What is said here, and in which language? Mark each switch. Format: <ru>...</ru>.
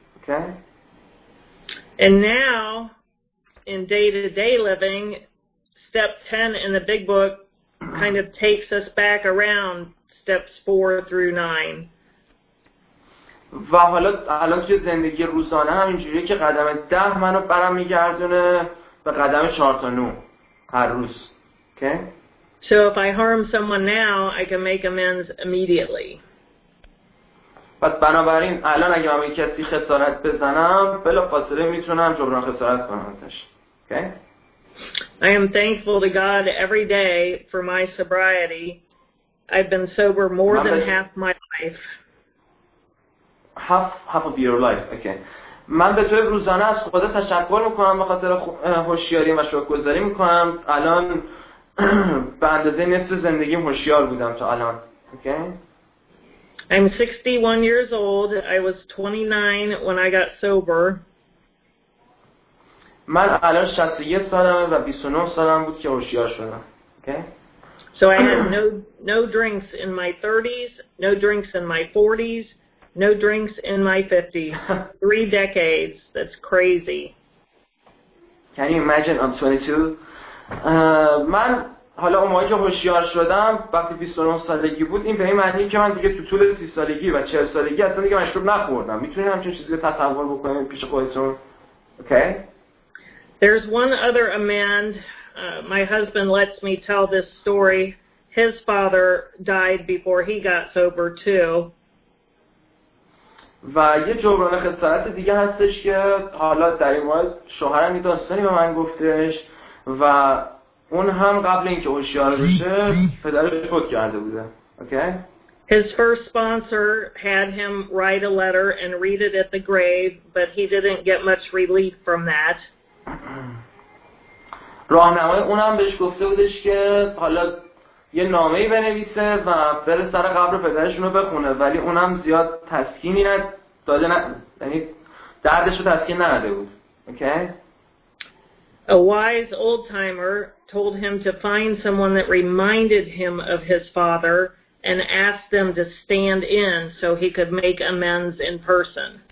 <en>Okay? And now in day-to-day living step 10 in the big book kind of takes us back around steps 4 through 9.</en> <fa>و حالا الان توی زندگی روزانه هم اینجوریه که قدم 10 منو برم میگردونه به قدم 4 تا 9 هر روز.</fa> <en>Okay? So if I harm someone now, I can make amends immediately.</en> <fa>پس بنابراین الان اگه من کسی خسارت بزنم بلافاصله میتونم جبران خسارت کنم ازش.</fa> <en>Okay? I am thankful to God every day for my sobriety. I've been sober more than half my life. Half of your life. Okay.</en> <fa>من به طور روزانه از خدا تشکر میکنم به خاطر هوشیاری و شکرگزاری میکنم. الان به اندازه نصف زندگیم هوشیار بودم تا الان.</fa> <en>Okay? I'm 61 years old. I was 29 when I got sober.</en> <fa>من الان 61 سالمه و 29 سالم بود که هوشیار شدم.</fa> <en>Okay? So I had no drinks in my 30s, no drinks in my 40s, no drinks in my 50s. 3 decades. That's crazy. Can you imagine? I'm 22.</en> <fa>من حالا اون موقعی که هوشیار شدم وقتی 29 سالگی بود این به این معنی که من دیگه تو طول 30 سالگی و 40 سالگی اصلا دیگه مشروب نخوردم. میتونید همچین چیزی تصور بکنید پیش خودتون؟</fa> <en>Okay? There's one other amend. My husband lets me tell this story. His father died before he got sober too.</en> <fa>و یه جبران خسارت دیگه هستش که حالا در این مورد شوهرم یه داستانی به من گفتش و اون هم قبل اینکه هوشیار بشه پدرش فوت کرده بوده.</fa> <en>Okay? His first sponsor had him write a letter and read it at the grave, but he didn't get much relief from that.</en> <fa>راهنمای اونم بهش گفته بودش که حالا یه نامه ای بنویسه و بره سر قبر پدرشونو بخونه، ولی اونم زیاد تسکینی نداده، یعنی دردش رو تسکین نداده بود.</fa> <en>Okay? A wise old timer told him to find someone that reminded him of his father and asked them to stand in so he could make amends in person.</en>